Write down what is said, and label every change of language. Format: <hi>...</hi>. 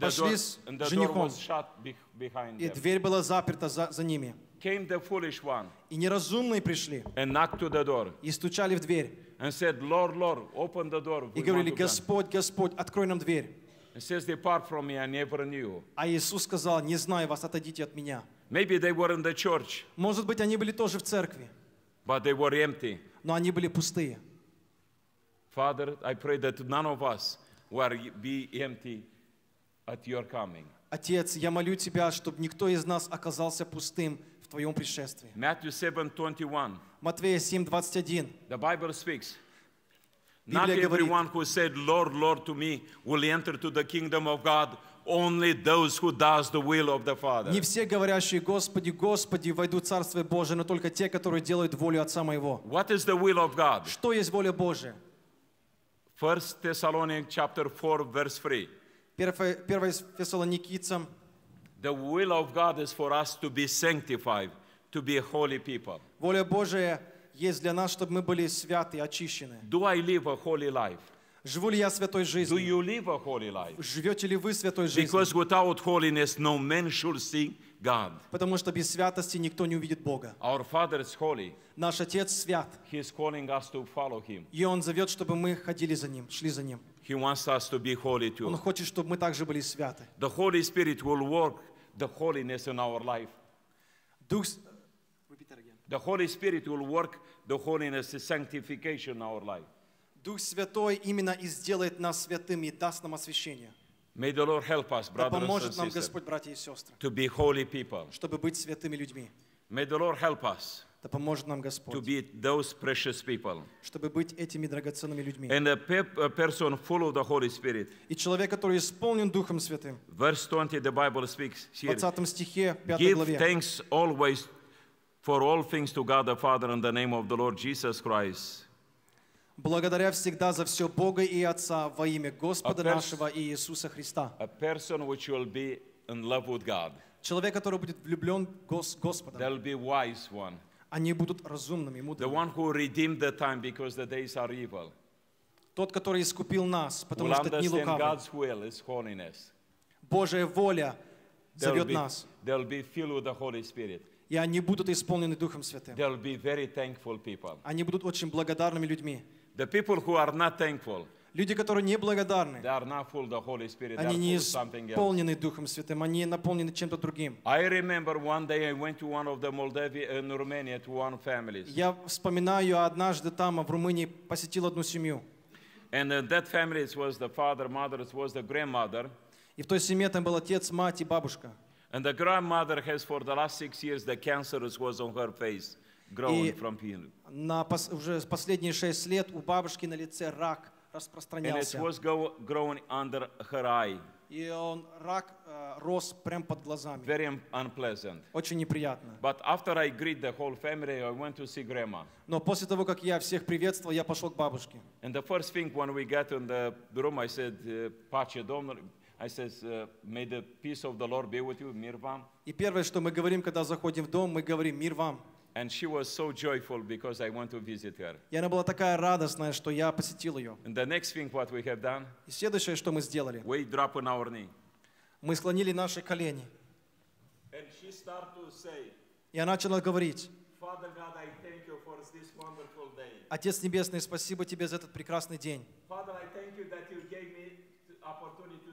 <en>the door was shut behind them. Came the foolish one and knocked to the door and said, Lord, open the door.</en> <ru>И говорили, Господь, открой нам дверь.</ru> <en>He says, depart from me, I never knew you.</en> <ru>А Иисус сказал, не знаю вас, отойдите от меня.</ru> <en>Maybe they were in the church.</en> <ru>Может быть, они были тоже в церкви.</ru> <en>But they were empty.</en> <ru>Но они были пустые.</ru> <en>Father, I pray that none of us will be empty at your coming.</en> <ru>Отец, я молю тебя, чтобы никто из нас оказался пустым в твоем пришествии.</ru> <en>Matthew 7:21.</en> <ru>Матфея 7:21.</ru> <en>The Bible speaks. Not everyone who said Lord to me will enter to the kingdom of God. Only those who does the will of the Father.</en> <ru>Не все говорящие Господи, Господи, войдут в Царство Божие, но только те, которые делают волю Отца Моего.</ru> <en>What is the will of God?</en> <ru>Что есть воля Божия?</ru> <en>1 Thessalonians chapter 4 verse 3.</en> <ru>Первое Фессалоникийцам.</ru> <en>The will of God is for us to be sanctified. To be a holy people.</en> <ru>Воля Божия есть для нас, чтобы мы были святы, очищены.</ru> <en>Do I live a holy life?</en> <ru>Живу ли я святой жизнью?</ru> <en>Do you live a holy life?</en> <ru>Живете ли вы святой жизнью?</ru> <en>Because without holiness, no man should see God.</en> <ru>Потому что без святости никто не увидит Бога.</ru> <en>Our Father is holy.</en> <ru>Наш Отец свят.</ru> <en>He is calling us to follow Him.</en> <ru>И Он зовет, чтобы мы ходили за Ним, шли за Ним.</ru> <en>He wants us to be holy too.</en> <ru>Он хочет, чтобы мы также были святы.</ru> <en>The Holy Spirit will work the holiness in our life. The Holy Spirit will work the holiness, the sanctification in our life.</en> <ru>Дух Святой именно и сделает нас святыми и даст нам освящение.</ru> <en>May the Lord help us, brothers and sisters.</en> <ru>Да поможет нам Господь, братья и сестры.</ru> <en>To be holy people.</en> <ru>Чтобы быть святыми людьми.</ru> <en>May the Lord help us.</en> <ru>Да поможет нам Господь.</ru> <en>To be those precious people.</en> <ru>Чтобы быть этими драгоценными людьми.</ru> <en>And a person full of the Holy Spirit.</en> <ru>И человек, который исполнен Духом Святым.</ru> <en>Verse 20, the Bible speaks here.</en> <ru>В 20 стихе, 5</ru> <en>Give</en> <ru>главе.</ru> <en>Give thanks always. For all things to God the Father in the name of the Lord Jesus Christ.</en> <ru>Благодаря всегда за все Бога и Отца во имя Господа нашего Иисуса Христа.</ru> <en>A person which will be in love with God.</en> <ru>Человек, который будет влюблен Господом.</ru> <en>There'll be wise one.</en> <ru>Они будут разумными, мудрыми.</ru> <en>The one who redeemed the time because the days are evil.</en> <ru>Тот, который искупил нас, потому что дни лукавы.</ru> <en>Will understand God's will is holiness.</en> <ru>Божья воля зовет нас.</ru> <en>They'll be filled with the Holy Spirit.</en> <ru>И они будут исполнены Духом Святым.</ru> <en>They'll be very thankful people.</en> <ru>Они будут очень благодарными людьми.</ru> <en>The people who are not thankful.</en> <ru>Люди, которые неблагодарны.</ru> <en>They are not full of the Holy Spirit.</en> <ru>Они не исполнены Духом Святым. Они наполнены чем-то другим.</ru> <en>I remember one day I went to one of the Moldavia in Romania to one family.</en> <ru>Я вспоминаю, однажды там в Румынии посетил одну семью.</ru> <en>And that family was the father, mother, it was the grandmother.</en> <ru>И в той семье там был отец, мать и бабушка.</ru> <en>And the grandmother has for the last 6 years the cancer was on her face, growing from pain.</en> <ru>На уже последние 6 лет у бабушки на лице рак распространялся.</ru> <en>And it was growing under her eye.</en> <ru>И он рак рос прямо под глазами.</ru> <en>Very unpleasant.</en> <ru>Очень неприятно.</ru> <en>But after I greet the whole family, I went to see grandma.</en> <ru>Но после того, как я всех приветствовал, я пошел к бабушке.</ru> <en>And the first thing when we got in the room, I said,</en> <ro>"Pace Domnului."</ro> <en>I says, may the peace of the Lord be with you,</en> <ru>mir vam. И первое, что мы говорим, когда заходим в дом, мы говорим мир вам.</ru> <en>And she was so joyful because I went to visit her.</en> <ru>И она была такая радостная, что я посетил ее.</ru> <en>And the next thing what we have done?</en> <ru>И следующее, что мы сделали?</ru> <en>We drop on our knee.</en> <ru>Мы склонили наши колени.</ru> <en>And she start to say.</en> <ru>И она начала говорить.</ru> <en>Father God, I thank you for this wonderful day.</en> <ru>Отец небесный, спасибо тебе за этот прекрасный день.</ru> <en>Father, I thank you that you gave me opportunity.</en>